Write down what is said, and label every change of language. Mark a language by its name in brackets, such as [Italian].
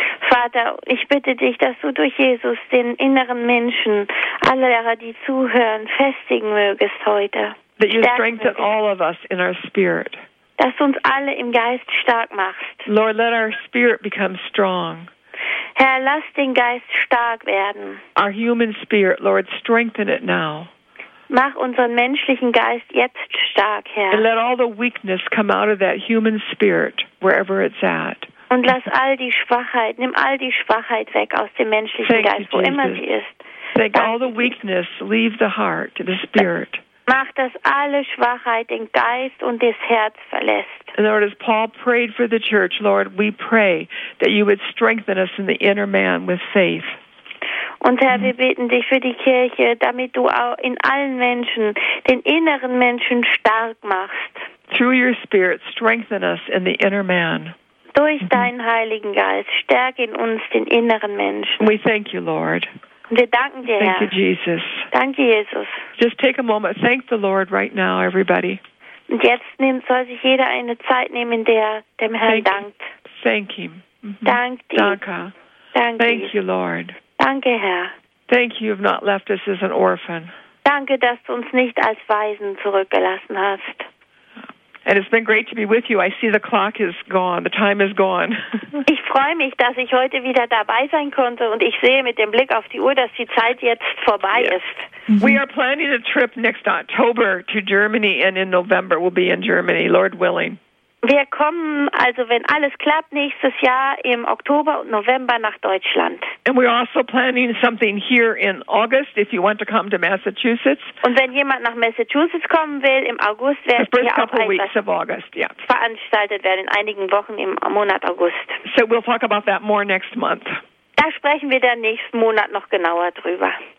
[German] Vater, ich bitte dich, dass du durch Jesus den inneren Menschen, alle derer, die zuhören, festigen mögest heute. [English] That you strengthen all of us in our spirit. [German] Dass du uns alle im Geist stark machst. [English] Lord, let our spirit become strong. [German] Herr, lass den Geist stark werden. [English] Our human spirit, Lord, strengthen it now. [German] Mach unseren menschlichen Geist jetzt stark, Herr. [English] And let all the weakness come out of that human spirit, wherever it's at. [German] Und lass all die Schwachheit, nimm all die Schwachheit weg aus dem menschlichen [English] Thank [German] Geist, [English] you, [German] wo immer sie ist. [English] Thank all the weakness, leave the heart, the spirit. [German] Mach, dass alle Schwachheit den Geist und das Herz verlässt. [English] Lord, as Paul prayed for the church, Lord, we pray that you would strengthen us in the inner man with faith. [German] Und Herr, wir beten dich für die Kirche, damit du auch in allen Menschen, den inneren Menschen stark machst. [English] Through your spirit, strengthen us in the inner man. [German] Durch deinen Heiligen Geist, stärke in uns den inneren Menschen. [English] We thank you, Lord. [German] Wir danken dir, [English] thank [German] Herr. [English] You, Jesus. [German] Danke, Jesus. [English] Just take a moment. Thank the Lord right now, everybody. [German] Und jetzt soll sich jeder eine Zeit nehmen, in der dem Herrn dankt. [English] Him. Thank him. [German] Dankt ihm. Danke. Danke. [English] Thank you, Lord. [German] Danke, Herr. [English] Thank you, you've not left us as an orphan. [German] Danke, dass du uns nicht als Waisen zurückgelassen hast. [English] And it's been great to be with you. I see the clock is gone. The time is gone. [German] Ich freue mich, dass ich heute wieder dabei sein konnte und ich sehe mit dem Blick auf die Uhr, dass die Zeit jetzt vorbei ist. [English] We are planning a trip next October to Germany and in November we'll be in Germany, Lord willing. [German] Wir kommen, also wenn alles klappt, nächstes Jahr im Oktober und November nach Deutschland. [English] And we're also planning something here in August, if you want to come to Massachusetts. [German] Und wenn jemand nach Massachusetts kommen will, im August werden wir auch veranstaltet werden, in einigen Wochen im Monat August. [English] So we'll talk about that more next month. [German] Da sprechen wir dann nächsten Monat noch genauer drüber.